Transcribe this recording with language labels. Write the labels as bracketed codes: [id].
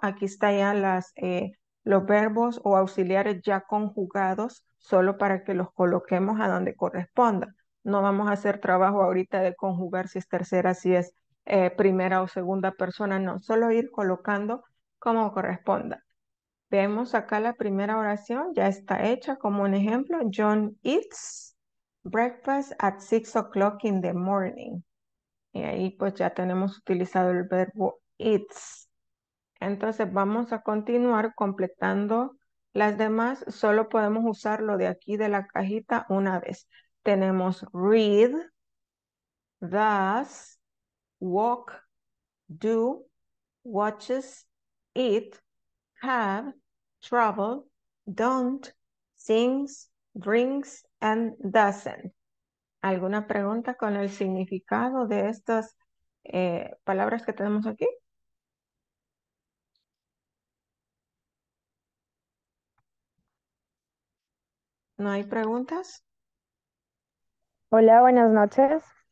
[es] Aquí está ya los verbos o auxiliares ya conjugados, solo para que los coloquemos a donde corresponda. No vamos a hacer trabajo ahorita de conjugar si es tercera, si es primera o segunda persona, no, solo ir colocando como corresponda. Vemos acá la primera oración, ya está hecha como un ejemplo. [en] John eats breakfast at 6 o'clock in the morning. [es] Y ahí pues ya tenemos utilizado el verbo eats. Entonces vamos a continuar completando las demás. Solo podemos usar lo de aquí de la cajita una vez. Tenemos [en] read, does, walk, do, watches, eat, have, travel, don't, sings, drinks, and doesn't. [es] ¿Alguna pregunta con el significado de estas palabras que tenemos aquí? ¿No hay preguntas? Hola, buenas noches.